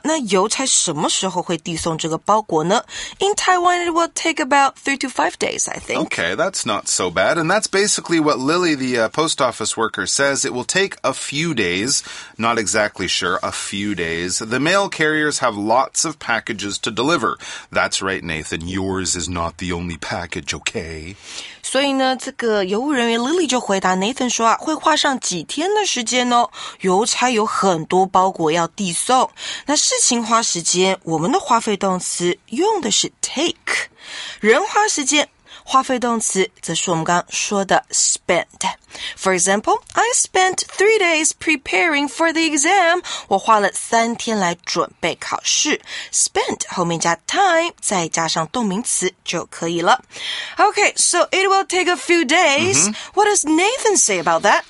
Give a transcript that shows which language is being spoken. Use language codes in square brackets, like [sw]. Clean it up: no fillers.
[zh] 那邮差什么时候会递送这个包裹呢？ [en] In Taiwan, it will take about 3 to 5 days, I think. Okay, that's not so bad. And that's basically what Lily, the post office worker, says. It will take a few days. Not exactly sure, a few days. The mail carriers have lots of packages to deliver. That's right, Nathan. Yours is not the only package, okay? [zh] 所以呢，这个邮务人员 Lily 就回答 Nathan 说啊，会花上几天的时间呢？邮差有很多包裹要递送，那事情花时间，我们的花费动词用的是 take， 人花时间，花费动词则是我们刚说的 spend。 [en] For example, I spent 3 days preparing for the exam. [zh] 我花了3天来准备考试。Spend 后面加 time， 再加上动名词就可以了。 [en] Okay, so it will take a few days.、Mm-hmm. What does Nathan say about that?